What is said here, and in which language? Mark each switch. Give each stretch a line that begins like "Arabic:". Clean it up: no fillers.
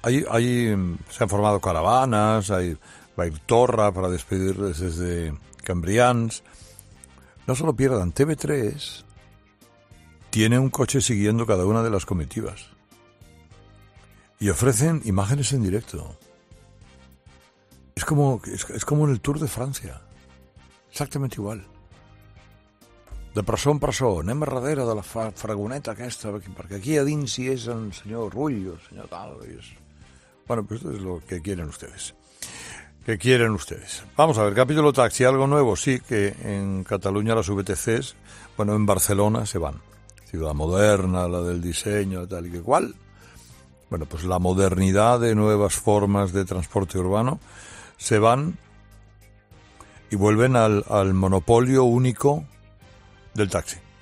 Spanish: Ahí se han formado caravanas, va a ir Torra para despedirles desde Cambrians. No se lo pierdan, TV3 tiene un coche siguiendo cada una de las comitivas y ofrecen imágenes en directo. Es como en el Tour de Francia.
Catalan: Exactament igual. De presó en presó, anem a darrere de la fragoneta aquesta, perquè aquí a dins hi és el senyor Rull o el senyor tal.
Spanish: Bueno, pues esto es lo que quieren ustedes. ¿Qué quieren ustedes? Vamos a ver, capítulo taxi, algo nuevo. Sí, que en Cataluña las VTCs, bueno, en Barcelona se van. Ciudad moderna, la del diseño, tal y que cual. Bueno, pues la modernidad de nuevas formas de transporte urbano se van y vuelven al monopolio único del taxi.